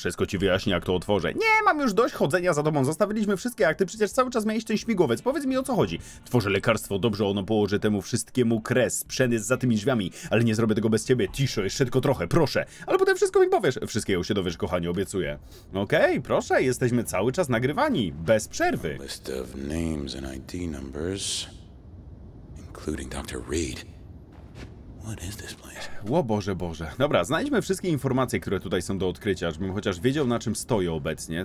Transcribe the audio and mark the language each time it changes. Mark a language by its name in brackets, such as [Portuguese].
[Polish] Wszystko ci wyjaśnię, jak to otworzę. Nie, mam już dość chodzenia za tobą. Zostawiliśmy wszystkie akty, przecież cały czas miałeś ten śmigłowiec. Powiedz mi, o co chodzi. Tworzę lekarstwo, dobrze ono położy temu wszystkiemu kres. Sprzęt jest za tymi drzwiami, ale nie zrobię tego bez ciebie. Ciszo, jeszcze tylko trochę, proszę. Ale potem wszystko mi powiesz. Wszystkiego się dowiesz, kochanie, obiecuję. Okej, proszę, jesteśmy cały czas nagrywani. Bez przerwy. [English] List of names and ID numbers, including Dr. Reed. What is this place? [Polish] O Boże, Boże. Dobra, znajdźmy wszystkie informacje, które tutaj są do odkrycia, żebym chociaż wiedział, na czym stoję obecnie.